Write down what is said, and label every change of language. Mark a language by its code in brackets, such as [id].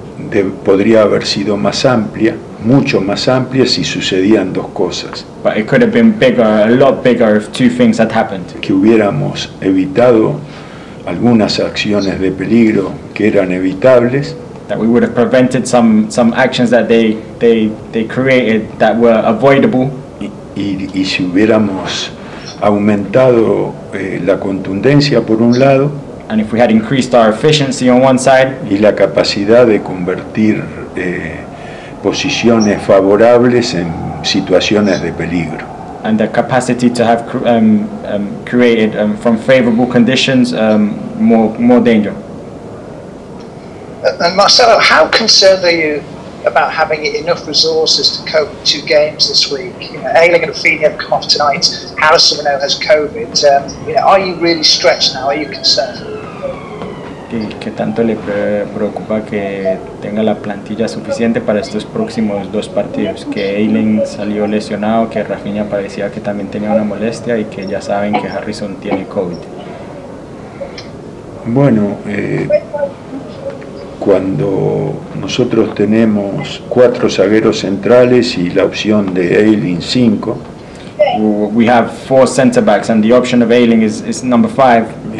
[es] Pero podría haber sido más amplia, mucho más amplia, si sucedían dos cosas. [en] But it could have been bigger, a lot bigger, if two things had happened. [es] Que hubiéramos evitado algunas acciones de peligro que eran evitables. [en] That we would have prevented some actions that they created that were avoidable. [es] Y si hubiéramos aumentado la contundencia por un lado. [en] And if we had increased our efficiency on one side. [es] Y la capacidad de convertir posiciones favorables en situaciones de peligro. [en] And the capacity to have created from favorable conditions more danger. And Marcelo, how concerned are you about having enough resources to cope with two games this week? You know, Ayling and Feeney have come off tonight. Harrison, we know, has COVID. Are you really stretched now? Are you concerned? [es] ¿Qué tanto le preocupa que tenga la plantilla suficiente para estos próximos dos partidos? Que Ayling salió lesionado, que Rafinha parecía que también tenía una molestia y que ya saben que Harrison tiene COVID. Bueno, cuando nosotros tenemos 4 zagueros centrales y la opción de Ayling 5. [en] We have 4 center backs and the option of Ayling is number 5.